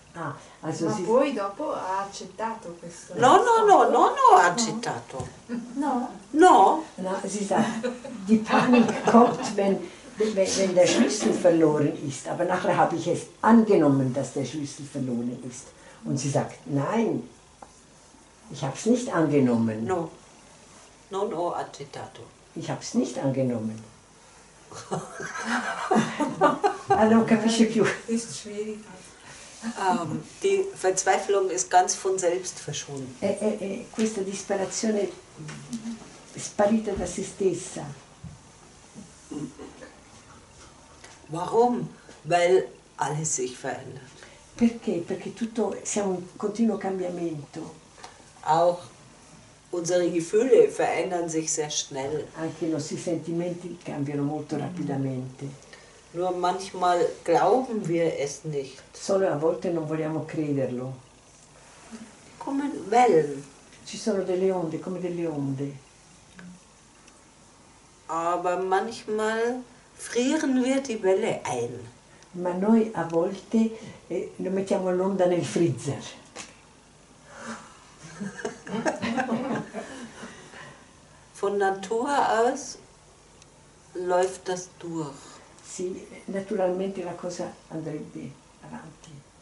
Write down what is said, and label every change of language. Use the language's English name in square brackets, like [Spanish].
[Italian] Ah, also ma sì. Poi dopo ha accettato questo. No, ha accettato. No. No. No, si sa, [German] die Panik kommt, wenn der Schlüssel verloren ist. Aber nachher habe ich es angenommen, dass der Schlüssel verloren ist. Und sie sagt, nein, ich habe es nicht angenommen. [Italian] No. No, accettato. [German] Ich habe es nicht angenommen. [Italian] Allora non capisce più. [German] Ist schwierig. Die Verzweiflung ist ganz von selbst verschwunden. [Italian] Questa disperazione è sparita da se stessa. [German] Warum? Weil alles sich verändert. [Italian] Perché? Perché tutto siamo in continuo cambiamento. [German] Auch unsere Gefühle verändern sich sehr schnell. [Italian] Anche i nostri sentimenti cambiano molto rapidamente. [German] Nur manchmal glauben wir es nicht. [Italian] Solo a volte non vogliamo crederlo. Come Wellen. Ci sono delle onde, come delle onde. [German] Aber manchmal frieren wir die Welle ein. [Italian] Ma noi a volte lo mettiamo l'onda nel freezer. [German] Von Natur aus läuft das durch. [Italian] Sì, naturalmente la cosa andrebbe avanti.